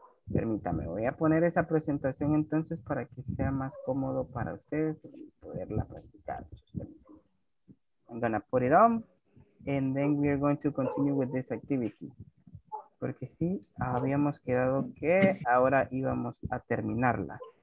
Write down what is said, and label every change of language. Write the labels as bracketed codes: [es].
[es] Permítame, voy a poner esa presentación entonces para que sea más cómodo para ustedes y poderla practicar. [en] I'm going to put it on and then we are going to continue with this activity. [es] Porque sí, habíamos quedado que ahora íbamos a terminarla.